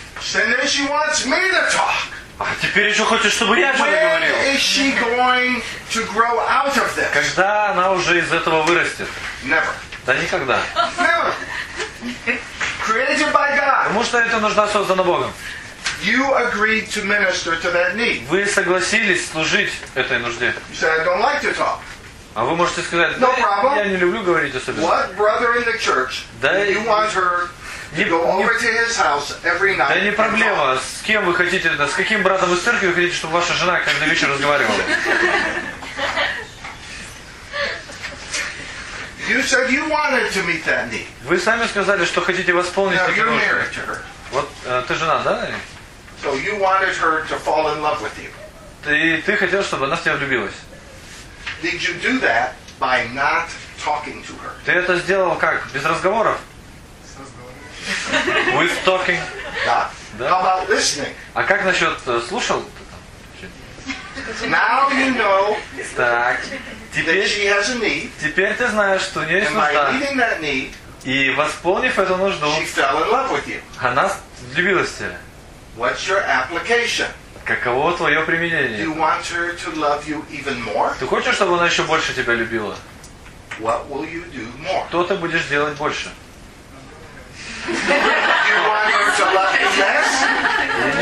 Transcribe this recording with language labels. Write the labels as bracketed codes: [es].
[en] So then she wants me to talk. [ru] А теперь еще хочет, чтобы я что-то говорил. [en] When is she going to grow out of this? [ru] Когда она уже из этого вырастет? [en] Never. [ru] Да никогда. [en] Never. Created by God. [ru] Потому что эта нужда создана Богом. [en] You agreed to minister to that need. [ru] Вы согласились служить этой нужде. [en] You said, I don't like to talk. [ru] А вы можете сказать, да, я не люблю говорить особенно. [en] What brother in the church do you want her to go over to his house every night? [ru] Да не проблема. С кем вы хотите, с каким братом из церкви вы хотите, чтобы ваша жена каждый вечер разговаривала? [en] You said you wanted to meet that need. [ru] Вы сами сказали, что хотите восполнить эту нужду. [en] Now you're married to her. [ru] Вот ты жена, да? [en] So you wanted her to fall in love with you. [ru] Ты хотел, чтобы она в тебя влюбилась. [en] Did you do that by not talking to her? [ru] Ты это сделал как? Без разговоров? [en] With talking. [ru] Да. [en] How about listening? [ru] А как насчет слушал? [en] Now you know. [ru] Так. Теперь, [en] that she has a need. [ru] Теперь ты знаешь, что у нее есть нужда. [en] And by meeting that need. [ru] И восполнив эту нужду, она влюбилась в тебя. [en] What's your application? [ru] Каково твое применение? [en] Do you want her to love you even more? [ru] Ты хочешь, чтобы она еще больше тебя любила? [en] What will you do more? [ru] Что ты будешь делать больше? [en] You want her to love you less?